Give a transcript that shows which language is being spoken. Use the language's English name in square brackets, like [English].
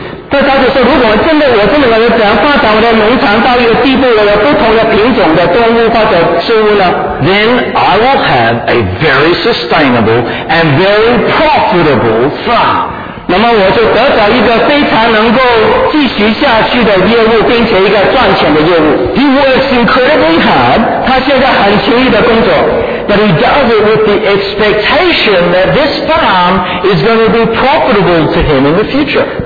[Chinese] 那他就说，如果真的我这么能够怎样发展我的农场，到一个地步，我有不同的品种的动物或者事物呢？ [English] Then I will have a very sustainable and very profitable farm. [Chinese] 那么我就得到一个非常能够继续下去的业务，并且一个赚钱的业务。 [English] He works incredibly hard. [Chinese] 他现在很勤力的工作。 [English] But he does it with the expectation that this farm is going to be profitable to him in the future.